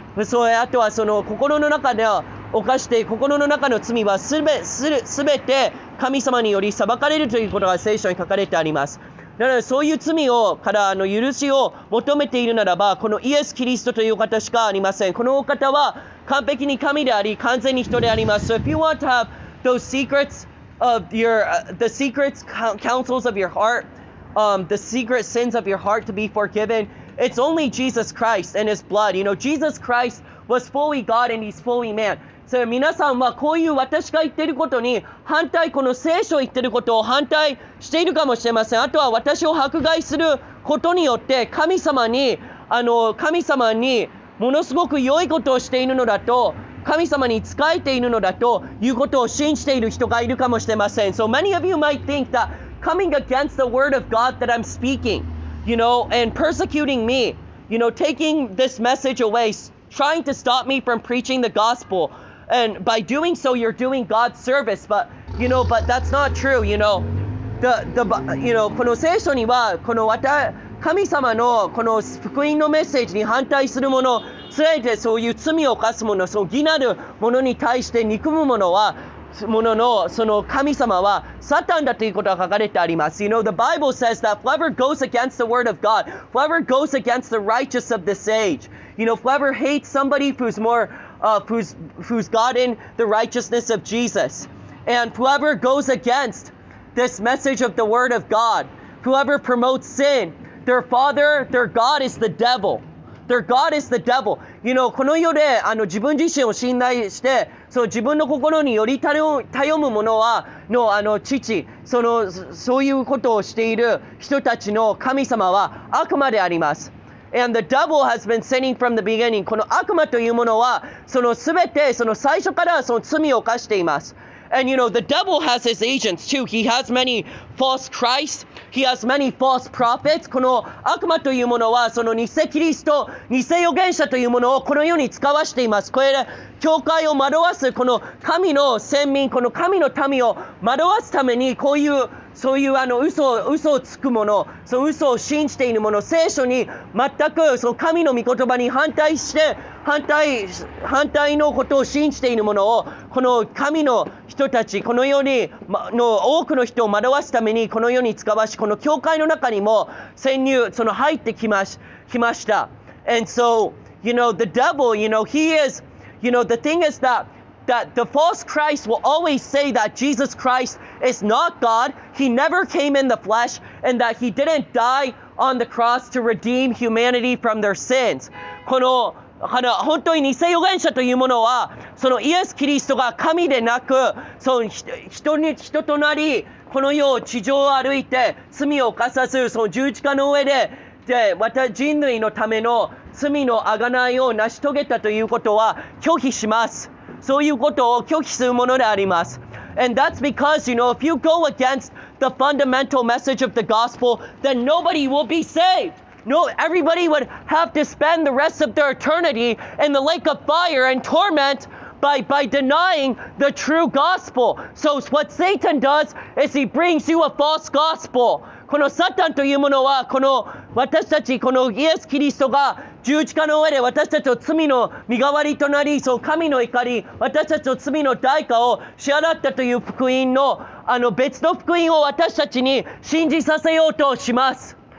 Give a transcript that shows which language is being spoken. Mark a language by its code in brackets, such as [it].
[ja] そう、あとはその心の中で犯して、心の中の罪は全て神様により裁かれるということが聖書に書かれてあります。なのでそういう罪をからあの許しを求めているならば、このイエス・キリストという方しかありません。このお方は完璧に神であり完全に人であります。 [en] So if you want to have those secrets of your the secrets counsels of your heart the secret sins of your heart to be forgiven, it's only Jesus Christ and his blood. You know, Jesus Christ was fully God and he's fully man. [ja] So 皆さんはこういう私が言っていることに反対、この聖書を言っていることを反対しているかもしれません。あとは私を迫害することによって神様に神様にものすごく良いことをしているのだと、神様に仕えているのだということを信じている人がいるかもしれません。 [en] So many of you might think that coming against the word of God that I'm speaking, you know, and persecuting me, you know, taking this message away, trying to stop me from preaching the gospel, and by doing so, you're doing God's service, but, you know, but that's not true, you know. [ja] この聖書には、この神様のこの福音のメッセージに反対するもの、つれてそういう罪を犯すもの、その義なるものに対して憎むものは、ものの、その神様はサタンだということが書かれてあります。 [en] You know, the Bible says that whoever goes against the word of God, whoever goes against the righteous of this age, you know, whoever hates somebody who's more, who's gotten the righteousness of Jesus, and whoever goes against this message of the word of God, whoever promotes sin, their father, their God is the devil. Their God is the devil. You know, [ja] この世で自分自身を信頼して、その自分の心により頼む者はの父、そういうことをしている人たちの神様は悪魔であります。 [en] And the devil has been sinning from the beginning. [ja] この悪魔というものは、全て最初からその罪を犯しています。 [en] And you know, the devil has his agents too. He has many false Christs. He has many false prophets. [ja] この悪魔というものは、その偽キリスト、偽預言者というものをこの世に使わしています。これ、教会を惑わす、この神の選民、この神の民を惑わすために、こういう、そういう嘘をつくもの、その嘘を信じているもの、聖書に全くその神の御言葉に反対して、反対のことを信じているものを、この神の人たち、この世に、の多くの人を惑わすために、この世に使わし、この教会の中にも潜入、その入ってきました。 [en] And so, you know, the devil, you know, he is, you know, the thing is that,that the false Christ will always say that Jesus Christ is not God, he never came in the flesh, and that he didn't die on the cross to redeem humanity from their sins. [ja] この本当に偽預言者というものは、そのイエス・キリストが神でなく、その人となり、この世を地上を歩いて罪を犯さず、その十字架の上で、で、また人類のための罪の贖いを成し遂げたということは拒否します。そういうことを拒否するものであります。 [en] And that's because, you know, if you go against the fundamental message of the gospel, then nobody will be saved. No, everybody would have to spend the rest of their eternity in the lake of fire and torment by denying the true gospel. So what Satan does is he brings you a false gospel. [ja] このサタンというものは、この私たち、このイエス・キリストが十字架の上で私たちを罪の身代わりとなり、その神の怒り、私たちを罪の代価を支払ったという福音の、別の福音を私たちに信じさせようとします。